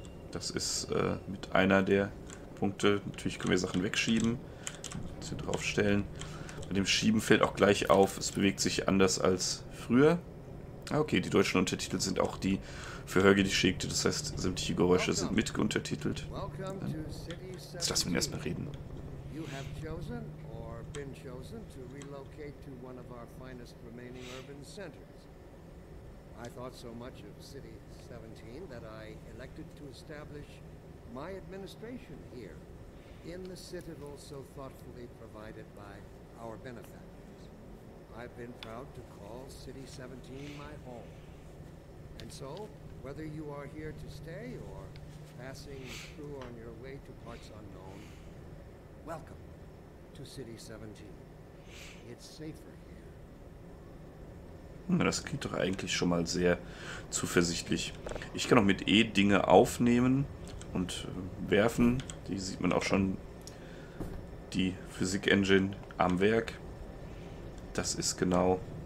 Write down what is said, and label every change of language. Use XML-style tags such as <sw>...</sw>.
<de>Das ist mit einer der Punkte. Natürlich können wir Sachen wegschieben. Sie draufstellen. Mit dem Schieben fällt auch gleich auf, es bewegt sich anders als früher. Okay, die deutschen Untertitel sind auch die für Hörgeräte geschickt, das heißt, sämtliche Geräusche sind mit untertitelt. Jetzt lassen wir ihn erstmal reden.</de> <en>You have chosen or been chosen to relocate to one of our finest remaining urban centers. I thought so much of City 17 that I elected to establish my administration here in the citadel so thoughtfully provided by our benefactors. I've been proud to call City 17 my home. And so, whether you are here to stay or passing through on your way to parts unknown, welcome to City 17. It's safer here.</en> <de>Na, das klingt doch eigentlich schon mal sehr zuversichtlich. Ich kann auch mit E Dinge aufnehmen und werfen. Die sieht man auch schon. Die Physik-Engine am Werk. Das ist genau...</de>